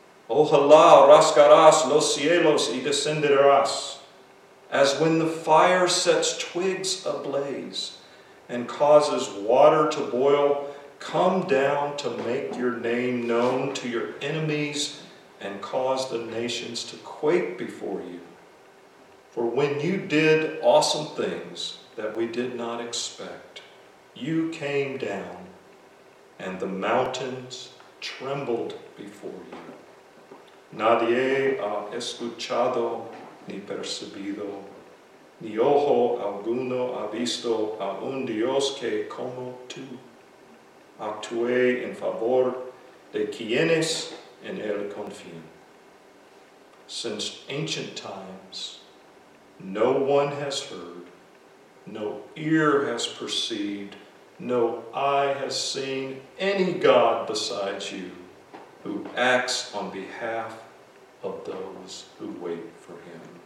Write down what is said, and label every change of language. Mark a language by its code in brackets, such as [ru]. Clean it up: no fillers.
[es] Ojalá rascarás los cielos y descenderás, [en] as when the fire sets twigs ablaze and causes water to boil, come down to make your name known to your enemies and cause the nations to quake before you. For when you did awesome things that we did not expect, you came down and the mountains trembled before you. [es] Nadie ha escuchado ni percibido, ni ojo alguno ha visto a un Dios que como tú actúe en favor de quienes en él confían. [en] Since ancient times, no one has heard, no ear has perceived, no eye has seen any God besides you who acts on behalf of those who wait for him.